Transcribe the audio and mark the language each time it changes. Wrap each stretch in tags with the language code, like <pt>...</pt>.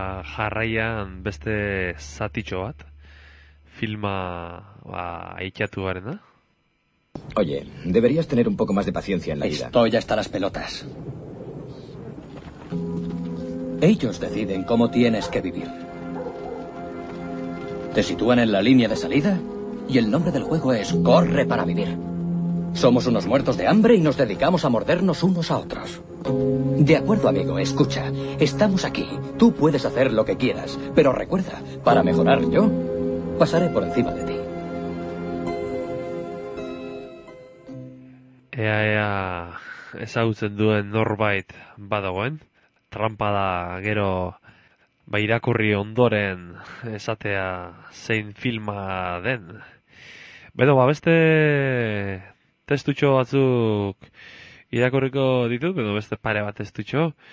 <eu>jarraian beste zatitxo bat, filma aitxatu garena.</eu> <es>Oye, deberías tener un poco más de paciencia en la vida. Estoy hasta las pelotas. Ellos deciden cómo tienes que vivir. Te sitúan en la línea de salida y el nombre del juego es Corre para vivir. Somos unos muertos de hambre y nos dedicamos a mordernos unos a otros. De acuerdo, amigo, escucha. Estamos aquí. Tú puedes hacer lo que quieras, pero recuerda, para mejorar yo, pasaré por encima de ti.</es> <eu>Ea, ea, ezagutzen duen norbait badagoen. Trampa da gero irakurri ondoren esatea zein filma den. Bedo, beste testutxo batzuk irakurriko ditut, bedo beste pare bat testutxo.</eu>